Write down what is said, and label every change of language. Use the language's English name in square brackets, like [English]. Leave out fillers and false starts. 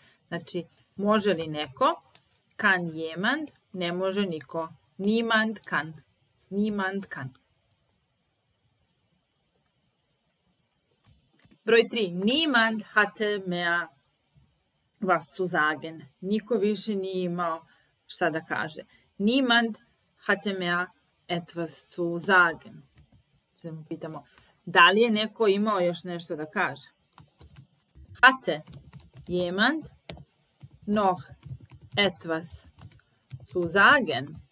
[Serbian] Znači, može li neko? [German] Kann jemand? [Serbian] Ne može niko. [German] Niemand kann. Niemand kann. [Serbian] Broj 3. [German] Niemand hatte mehr was zu sagen. [Serbian] Niko više nije imao šta da kaže. [German] Niemand hatte mehr etwas zu sagen. [Serbian] Sada mu pitamo, da li je neko imao još nešto da kaže? [German] Hatte jemand noch etwas zu sagen?